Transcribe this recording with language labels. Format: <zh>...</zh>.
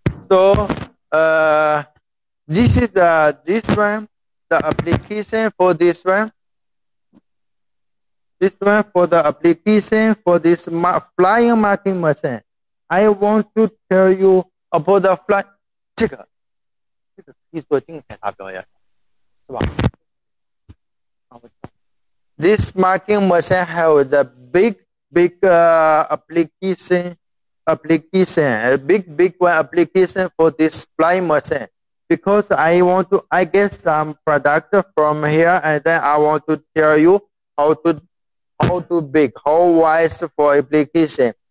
<en>So, this is this one, the application for this one. This one for the application for this flying marking machine. I want to tell you about the flight.</en> <zh>这个技术精彩达标呀，是吧？</zh> <en>This marking machine has a big application, a big one application for this flying machine. Because I get some product from here, and then I want to tell you how to big, how wise for application.</en>